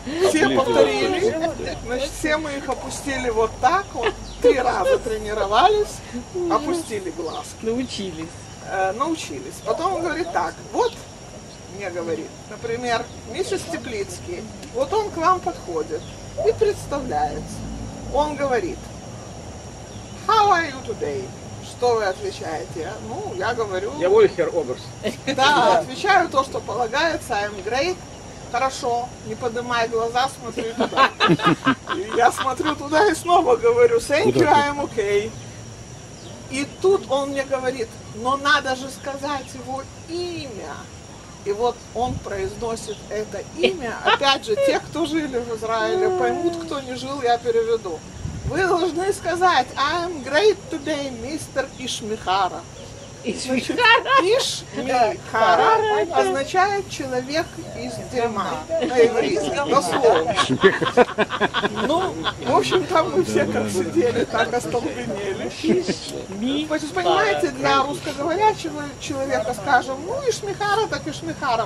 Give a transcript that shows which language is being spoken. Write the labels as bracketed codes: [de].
[ru] Все повторили, значит, все мы их опустили вот так вот, 3 раза тренировались, опустили глазки. Научились. Научились. Потом он говорит так: вот, мне говорит, например, миссис Теплицкий, вот он к вам подходит и представляется. он говорит, [en] how are you today? [ru] Что вы отвечаете? Ну, я говорю... Я говорю, [de] Herr Oberst. [ru] Да, отвечаю то, что полагается, [en] I'm great. [ru] Хорошо, не поднимай глаза, смотри туда. Я смотрю туда и снова говорю, [en] thank you, I'm okay. [ru] И тут он мне говорит, но надо же сказать его имя. И вот он произносит это имя. Опять же, те, кто жили в Израиле, поймут, кто не жил, я переведу. Вы должны сказать, [en] I'm great today, Mr. [ru] Ишмихара. Ишмихара? Ишмихара означает человек из дерьма. На еврейском, дословно. Ну, в общем-то, мы все как сидели, так остолбенели. Вы же понимаете, для русскоговорящего человека скажем, ну, Ишмихара, так Ишмихара.